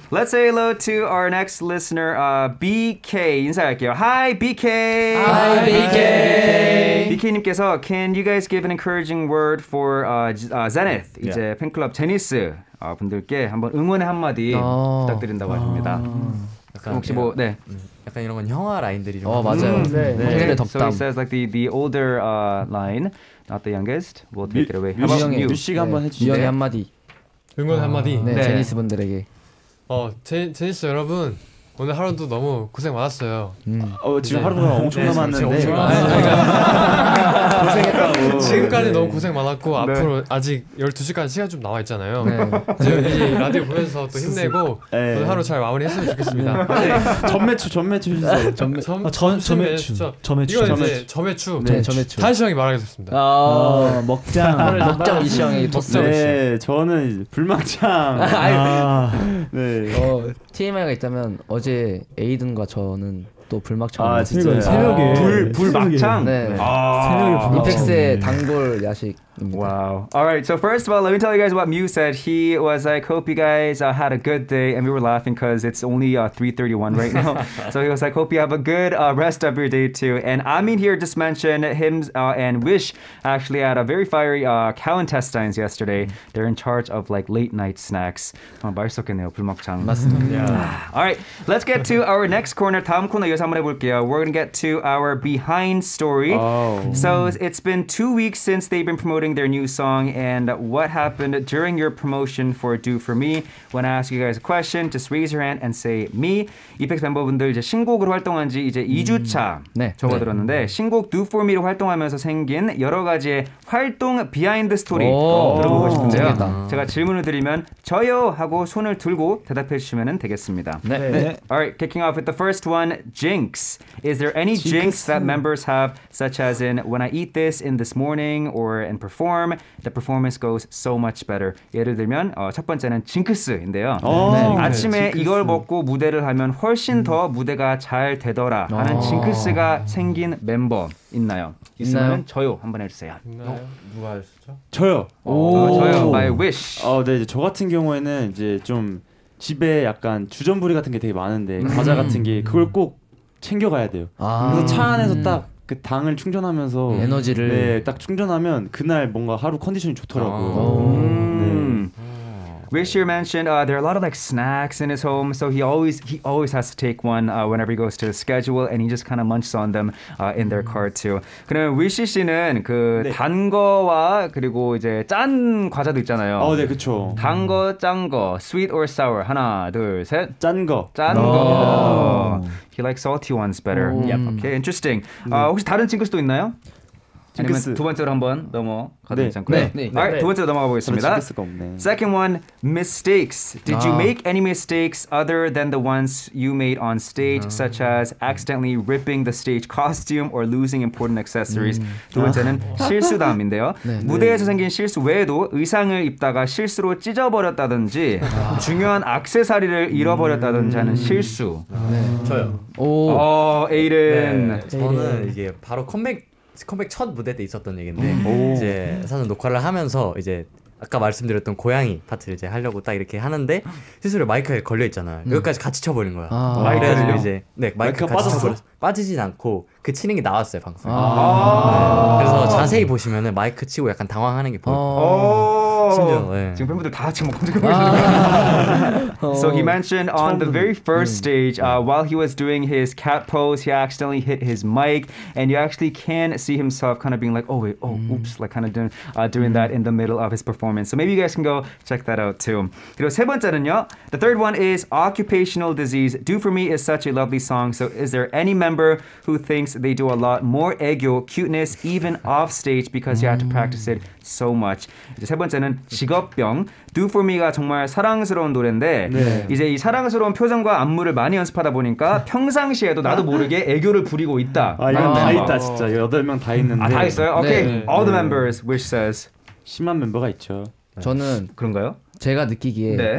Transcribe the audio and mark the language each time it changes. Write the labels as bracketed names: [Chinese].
[English] Let's say hello to our next listener BK [Korean] 인사할게요 [English] Hi BK Hi BK BK님께서 Can you guys give an encouraging word for Zenith yeah. [Korean] 이제 팬클럽 제니스 분들께 한번 응원의 한마디 부탁드린다고 하십니다 약간 혹시 뭐 네 약간 이런 건 형아 라인들이 좀 맞아요 형들의 덕담 [English] So he says like the older line Not the youngest. We'll take it away. [Korean] 유시가 한번 해주세요. 유형의 한마디. 응원 한마디. 네, 네. 제니스 분들에게. 제니스 여러분 오늘 하루도 너무 고생 많았어요. 지금 하루 동안 엄청 남았는데. 엄청 고생했다고. 지금까지 네. 너무 고생 많았고 네. 앞으로 아직 12시간 시간 좀 남아 있잖아요. 네. 지금 이 라디오 보면서 또 힘내고 네. 오늘 하루 잘 마무리했으면 좋겠습니다. 전매추 해주세요. 전매추. 네, 전매추. 다시 형이 말하겠습니다. 먹장. 먹장 이 형이 먹장. 네, 저는 불망창. 네. TMI가 있다면 어제 에이든과 저는 또 불막창 아 진짜 새벽에 불막창 네. 아 새벽에 불막창 이펙스의 단골 야식입니다. [English] 와우. All right. So first of all, let me tell you guys what Mew said. He was like, "Hope you guys had a good day." And we were laughing because it's only 3:31 right now. So he was like, "Hope you have a good rest of your day too." And Amin here just mentioned him and Wish actually had a very fiery cow intestines yesterday. They're in charge of like late night snacks. [Korean] 맛있었겠네요. 불막창. 맞습니다. [English] All right. Let's get to our next corner. [Korean] 다음 코너 이어서 한번 해볼게요. [English] We're gonna get to our behind story. Oh. So it's been 2 weeks since they've been promoting their new song, and what happened during your promotion for Do For Me? When I ask you guys a question, just raise your hand and say me. [Korean] 이펙스 멤버분들 이제 신곡으로 활동한 지 이제 2주차 네. 접어들었는데 네. 신곡 Do For Me로 활동하면서 생긴 여러 가지의 활동 비하인드 스토리 들어보고 싶은데요. 제가 질문을 드리면 저요 하고 손을 들고 대답해 주시면 되겠습니다. 네. 네. 네. [English] Alright, kicking off with the first one. Jinx. Is there any jinx that members have, such as in when I eat this morning or and perform, the performance goes so much better? [Korean] 예를 들면 첫 번째는 징크스인데요. 네. 아침에 징크스. 이걸 먹고 무대를 하면 훨씬 더 무대가 잘 되더라 하는 징크스가 생긴 멤버 있나요? 있으면 저요 한번 해주세요. 있나요? 누가 했었죠? 저요. 저요. [English] My wish. [Korean] 네, 저 같은 경우에는 이제 좀 집에 약간 주전부리 같은 게 되게 많은데 과자 같은 게 그걸 꼭 챙겨가야 돼요. 그래서 차 안에서 딱 그 당을 충전하면서 에너지를 네, 딱 충전하면 그날 뭔가 하루 컨디션이 좋더라고요. 네. [English] Wishier mentioned there are a lot of like snacks in his home, so he always has to take one whenever he goes to the schedule, and he just kind of munches on them in their car too. [Korean] 그러면 Wishy 씨는 그 단 네. 거와 그리고 이제 짠 과자도 있잖아요. 어, 네, 그렇죠. 단 거, 짠 거, [English] sweet or sour. [Korean] 하나, 둘, 셋. 짠 거. 짠 거. [English] He likes salty ones better. Yep. Okay, interesting. 네. [Korean] 혹시 다른 친구 또 있나요? 아니면 두 번째로 한번 넘어가도 괜찮고요. 네. 네. 네. Alright, 두 번째로 넘어가 보겠습니다. 없네. [English] Second one, mistakes. Did you make any mistakes other than the ones you made on stage, such as accidentally ripping the stage costume or losing important accessories? [Korean] 두 번째는 실수 다음인데요. 네. 무대에서 생긴 실수 외에도 의상을 입다가 실수로 찢어버렸다든지 중요한 액세서리를 잃어버렸다든지 하는 실수. 저요. 오. 에이든. 저는 이게 바로 컴백 첫 무대 때 있었던 얘기인데 이제 사전 녹화를 하면서 이제 아까 말씀드렸던 고양이 파트를 이제 하려고 딱 이렇게 하는데 스스로 마이크에 걸려 있잖아요. 여기까지 같이 쳐버린 거야. 마이크를 이제 네 마이크가 빠졌어. 빠지진 않고 그 치는 게 나왔어요 방송. 아~ 네, 그래서 자세히 보시면은 마이크 치고 약간 당황하는 게 보여. 심지어, 네. [English] 지금 팬분들 다 지금 검색해보시네요. So he mentioned on the very first stage, while he was doing his cat pose, he accidentally hit his mic, and you actually can see himself kind of being like, oh wait, oh, oops, like kind of doing that in the middle of his performance. So maybe you guys can go check that out too. [Korean] 그리고 세 번째는요. [English] The third one is occupational disease. Do For Me is such a lovely song. So is there any member who thinks they do a lot more 애교 cuteness even off stage because you have to practice it so much? [Korean] 이제 세 번째는 직업병. Do For Me가 정말 사랑스러운 노래인데 네. 이제 이 사랑스러운 표정과 안무를 많이 연습하다 보니까 평상시에도 나도 모르게 애교를 부리고 있다. 아 이건 다 있다 진짜. 여덟 명 다 있는데. 아 다 있어요? 오케이. [English] Okay. 네. All the members wish says. [Korean] 10만 멤버가 있죠. 저는 그런가요? 제가 느끼기에 네.